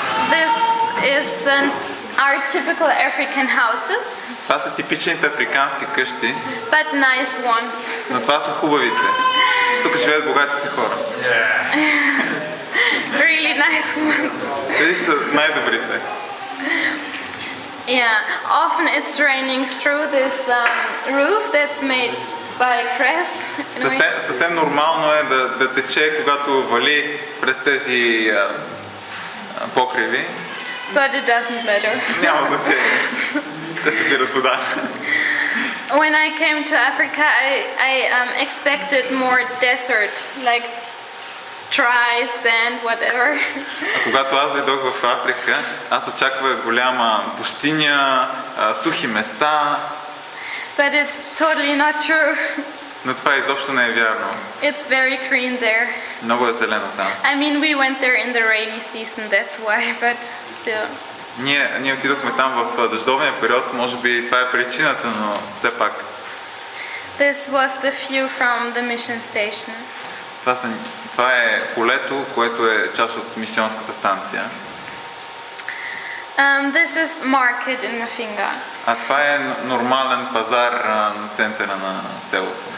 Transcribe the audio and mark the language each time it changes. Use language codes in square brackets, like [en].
[en] This is an our typical African houses. [bg] Това са типичните африкански къщи. [en] But nice ones. [bg] Но това са хубавите. Тук живеят богатите хора. [en] Yeah. Really nice ones. [bg] Тези са най-добрите. [en] Yeah, often it's raining through this roof that's made by grass. [bg] Съвсем нормално е да тече, когато вали през тези покриви. [en] But it doesn't matter. [bg] Няма значение. Да се бира туда. [en] When I came to Africa, I expected more desert, like dry sand, whatever. [bg] А когато аз дойдох в Африка, аз очаквах голяма пустиня, сухи места. [en] But it's totally not true. [bg] Но това изобщо не е вярно. [en] It's very green there. [bg] Много е зелено там. [en] I mean, we went there in the rainy season, that's why, but still. [bg] Ние отидохме там в дъждовния период, може би това е причината, но все пак. [en] This was the view from the mission station. [bg] Това е полето, което е част от мисионската станция. [en] This is market in Mafinga. [bg] А това е нормален пазар на центъра на селото.